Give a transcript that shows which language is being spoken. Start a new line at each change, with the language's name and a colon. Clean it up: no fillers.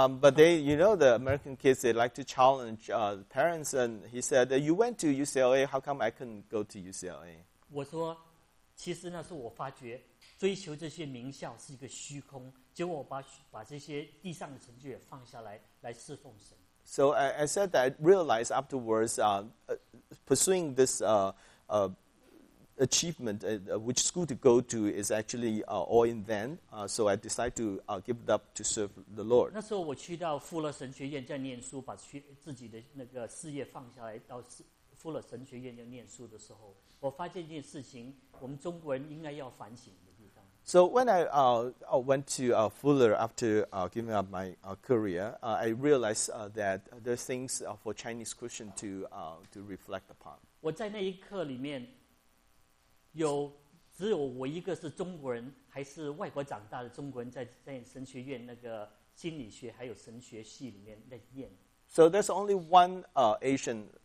English: But they, you know, the American kids, they like to challenge parents. And he said, "You went to UCLA. How come I couldn't go to UCLA?"
Chinese: 我说，其实那是我发觉。追求这些名校是一个虚空，结果我把这些地上的成就也放下来，来侍奉神。
English: So I said that I realized afterwards, pursuing this achievement, which school to go to is actually all in vain. So I decided to give it up to serve the Lord.
Chinese: 那时候我去到富勒神学院在念书，把自己的那个事业放下来，到富勒神学院要念书的时候，我发现一件事情，我们中国人应该要反省。
English: So when I went to Fuller after giving up my career, I realized that there are things for Chinese Christian to reflect upon.
Chinese: 我在那一课里面有只有我一个是中国人，还是外国长大的中国人，在神学院那个心理学还有神学系里面在念。
English: So there's only one Asian,